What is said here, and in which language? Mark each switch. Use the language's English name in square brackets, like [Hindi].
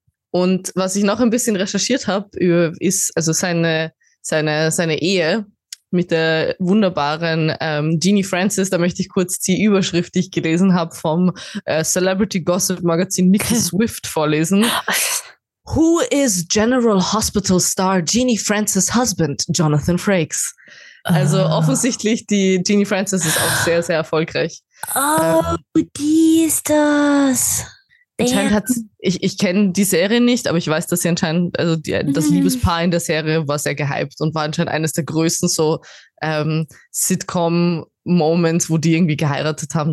[German] Und was ich noch ein bisschen recherchiert habe, ist also seine Ehe mit der wunderbaren Jeannie Francis, da möchte ich kurz die Überschrift, die ich gelesen habe, vom Celebrity Gossip Magazin Nikki Swift vorlesen. [English] Who is General Hospital Star Jeannie Francis' Husband, Jonathan Frakes? [German] Also offensichtlich, die Jeannie Francis ist auch sehr, sehr erfolgreich. Die ist das. Anscheinend ich kenne die Serie nicht, aber ich weiß, dass sie anscheinend, also das Liebespaar in der Serie war sehr gehypt und war anscheinend eines der größten so Sitcom-Moments, wo die irgendwie geheiratet haben.